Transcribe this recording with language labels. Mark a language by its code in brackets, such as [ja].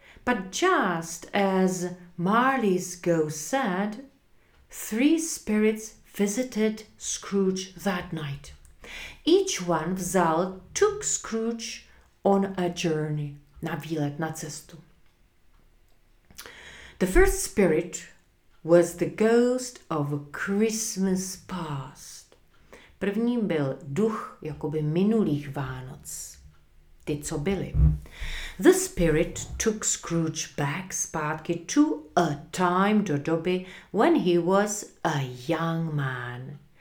[en] But just as Marley's ghost said, 3 spirits visited Scrooge that night. Each one vzal, took Scrooge on a journey, [cs] na výlet, na cestu. [en] The first spirit was the ghost of Christmas past. [cs] První byl duch jakoby minulých Vánoc, ty co byly. [en] The spirit took Scrooge back zpátky to a time, [cs] do doby, [en] when he was a young man.